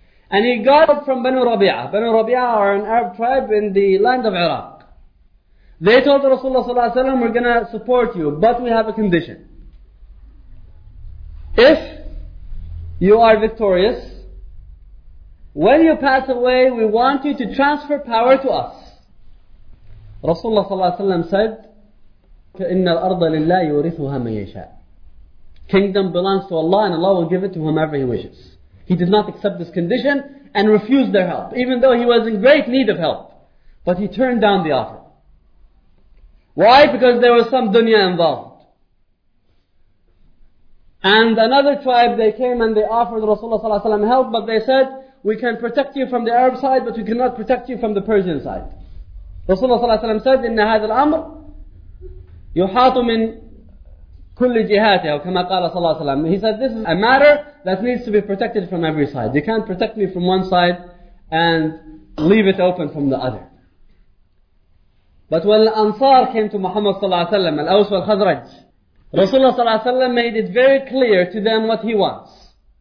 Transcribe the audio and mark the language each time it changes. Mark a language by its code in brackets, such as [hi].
[en] And he got help from Banu Rabi'ah. Banu Rabi'ah are an Arab tribe in the land of Iraq. They told Rasulullah ﷺ, "We're going to support you, but we have a condition. If you are victorious, when you pass away, we want you to transfer power to us." [ar] Rasulullah صلى الله عليه وسلم [en] said, [ar] فَإِنَّ الْأَرْضَ لِلَّهِ يُورِثُهَا مَنْ يَشَاءُ. [en] Kingdom belongs to Allah and Allah will give it to whomever He wishes. He did not accept this condition and refused their help, even though he was in great need of help. But he turned down the offer. Why? Because there was some dunya involved. And another tribe, they came and they offered Rasulullah صلى الله عليه وسلم help, but they said, "We can protect you from the Arab side, but we cannot protect you from the Persian side." [ar] Rasulullah صلى الله عليه وسلم [en] said, [ar] "إن هذا الأمر يحاط من كل جهاته," كما قال صلى الله عليه وسلم. [en] He said, "This is a matter that needs to be protected from every side. You can't protect me from one side and leave it open from the other." But when Ansar came to Muhammad صلى الله عليه وسلم, Al-Aws wal-Khazraj, Rasulullah صلى الله عليه وسلم made it very clear to them what he wants.